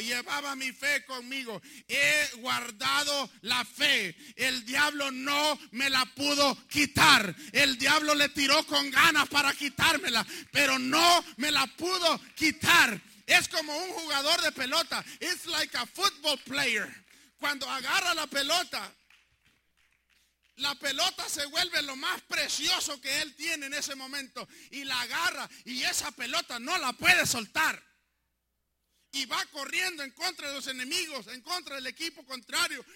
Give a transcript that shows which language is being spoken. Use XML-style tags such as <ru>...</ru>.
<es>Llevaba mi fe conmigo. He guardado la fe. El diablo no me la pudo quitar. El diablo le tiró con ganas para quitármela, pero no me la pudo quitar. Es como un jugador de pelota.</es> <en>It's like a football player.</en> <es>Cuando agarra la pelota se vuelve lo más precioso que él tiene en ese momento. Y la agarra y esa pelota no la puede soltar. Y va corriendo en contra de los enemigos, en contra del equipo contrario.</es>